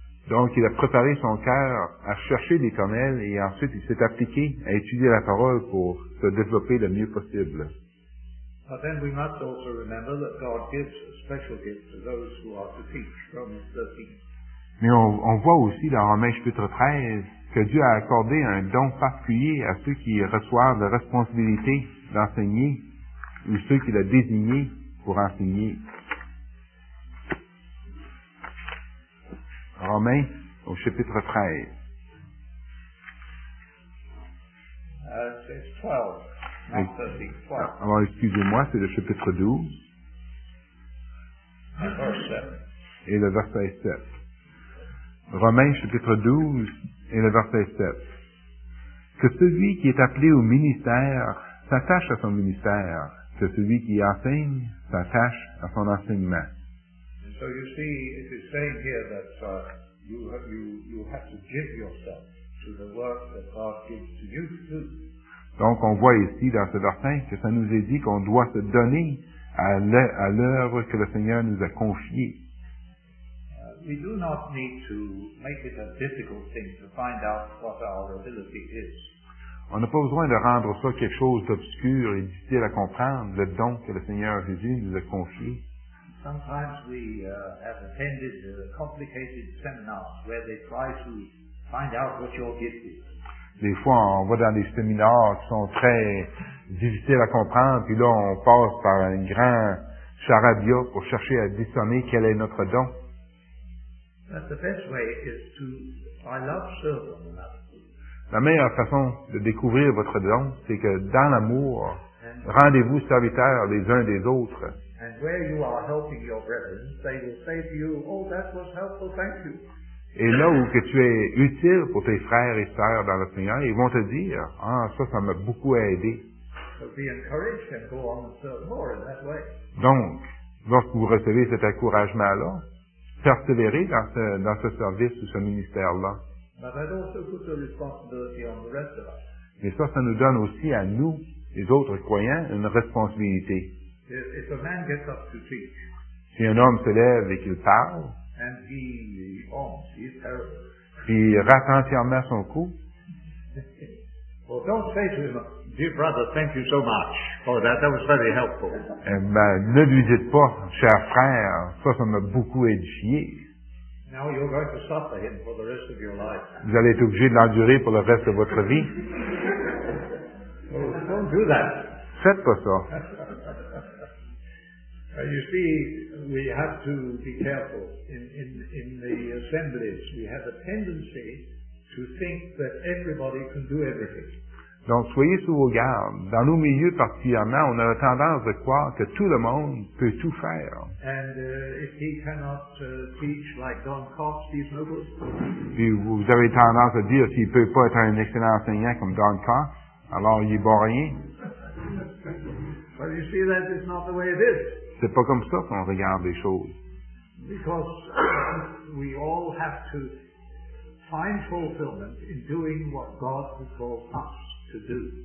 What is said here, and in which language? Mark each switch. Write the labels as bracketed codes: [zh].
[fr] Donc, il a préparé son cœur à chercher l'Éternel, et ensuite, il s'est appliqué à étudier la parole pour se développer le mieux possible. [en] But then we must also remember that God gives a special gift to those who are to teach, Romans 13. [fr] Mais on voit aussi dans Romains chapitre 13 que Dieu a accordé un don particulier à ceux qui reçoivent la responsabilité d'enseigner ou ceux qu'il a désignés pour enseigner. Romains au chapitre 13. [en] It says 12. [fr] Alors excusez-moi, c'est le chapitre 12. Et le verset 7. Romains chapitre 12 et le verset 7. Que celui qui est appelé au ministère s'attache à son ministère. Que celui qui enseigne s'attache à son enseignement. [en] So you see, it is saying here that you have to give yourself to the work that God gives to you to do. [fr] Donc, on voit ici dans ce verset que ça nous est dit qu'on doit se donner à l'œuvre que le Seigneur nous a confiée. [en] We do not need to make it a difficult thing to find out what our ability is. [fr] On n'a pas besoin de rendre ça quelque chose d'obscur et difficile à comprendre, le don que le Seigneur Jésus nous a confié. [en] Sometimes we have attended complicated seminars where they try to find out what your gift is. [fr] Des fois, on va dans des séminaires qui sont très difficiles à comprendre, puis là, on passe par un grand charabia pour chercher à discerner quel est notre don. [en] But the best way is to, by love, serve one another. [fr] La meilleure façon de découvrir votre don, c'est que dans l'amour, rendez-vous serviteurs les uns des autres. [en] And where you are helping your brethren, they will say to you, oh, that was helpful, thank you. [fr] Et là où que tu es utile pour tes frères et sœurs dans le Seigneur, ils vont te dire, ah, ça m'a beaucoup aidé. [en] So be encouraged and go on and serve more in that way. [fr] Donc, lorsque vous recevez cet encouragement-là, persévérez dans ce service ou ce ministère-là. [en] But that also puts a responsibility on the rest of us. [fr] Mais ça nous donne aussi à nous, les autres croyants, une responsabilité. [en] If a man gets up to teach, [fr] si un homme se lève et qu'il parle, [en] and he owns, he is terrible. [fr] Puis il rate entièrement son coup. [en] Well, don't say to him, dear brother, thank you so much for that. That was very helpful. [fr] Ben, ne lui dites pas, cher frère, ça m'a beaucoup édifié. [en] Now you're going to suffer him for the rest of your life. [fr] Vous allez être obligé de l'endurer pour le reste de votre vie. [en] Well, don't do that. [fr] Faites pas ça. [en] You see, we have to be careful. In the assemblies, we have a tendency to think that everybody can do everything. [fr] Donc, soyez sous vos gardes. Dans nos milieux particulièrement, on a la tendance de croire que tout le monde peut tout faire. [en] And if he cannot teach like Don Cox, he's no good. [fr] Puis vous avez tendance à dire s'il ne peut pas être un excellent enseignant comme Don Cox, alors il n'est bon rien. [en] But you see, that is not the way it is. [fr] C'est pas comme ça qu'on regarde les choses. [en] Because we all have to find fulfillment in doing what God has called us to do.